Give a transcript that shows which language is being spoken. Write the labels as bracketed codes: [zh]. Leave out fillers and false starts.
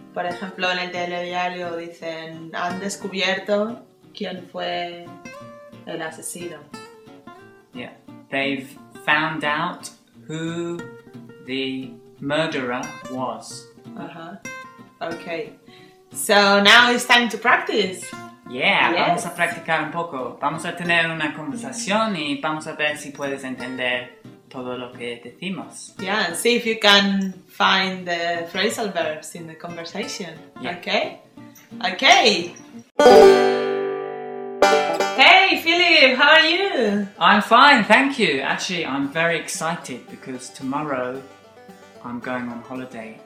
[es] Por ejemplo, en el telediario dicen, han descubierto quién fue el asesino. [en] Yeah, they've found out who the murderer was. Uh-huh. Okay. So now it's time to practice. Yeah, yes. [es] Vamos a practicar un poco. Vamos a tener una conversación y vamos a ver si puedes entender todo lo que decimos. [en] Yeah, see if you can find the phrasal verbs in the conversation. Yeah. Okay? Okay. Hey, Philip, how are you? I'm fine, thank you. Actually, I'm very excited because tomorrow I'm going on holiday.